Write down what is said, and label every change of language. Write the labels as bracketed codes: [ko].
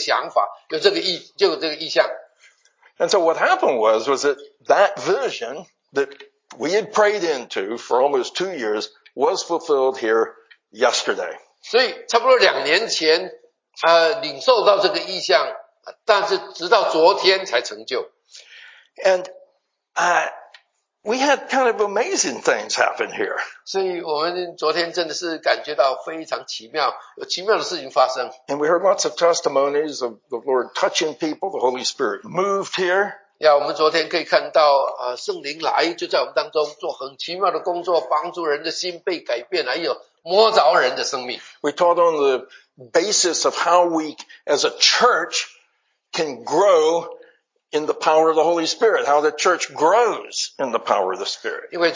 [zh] 因为大概两年多以前呢，我们继东长老他是我们中会的负责一个灵修会的那个部门的负责人哈，他就有这个想法，有这个意向。 [en] And so what happened was that that vision that we had prayed into for almost 2 years was fulfilled here yesterday. [zh] 所以差不多两年前，领受到这个意向，但是直到昨天才成就。 [en] And we had kind of amazing things happen here. [zh] 所以我们昨天真的是感觉到非常奇妙，有奇妙的事情发生。 [en] And we heard lots of testimonies of the Lord touching people, the Holy Spirit moved here. [zh] 呀，我们昨天可以看到，圣灵来就在我们当中做很奇妙的工作，帮助人的心被改变，还有摸着人的生命。 [en] We taught on the basis of how we as a church can grow in the power of the Holy Spirit, how the church grows in the power of the Spirit.